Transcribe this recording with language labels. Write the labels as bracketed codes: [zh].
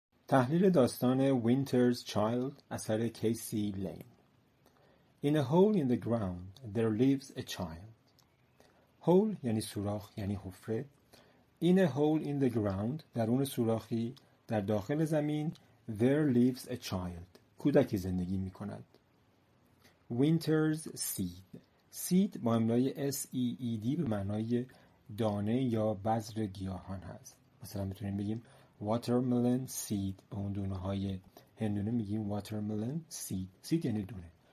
[fa] تحلیل داستان Winter's Child اثر کیسی لین. [en] In a hole in the ground there lives a child. [fa] Hole یعنی سوراخ یعنی حفره. [en] In a hole in the ground [fa] درون سوراخی در داخل زمین [en] there lives a child. [fa] کودکی زندگی می کند. [en] Winter's seed. [fa] Seed با املای S-E-E-D به معنای دانه یا بذر گیاهان هست. مثلا میتونیم بگیم watermelon seed، به اون دونه های هندونه میگیم watermelon seed. seed یعنی دونه.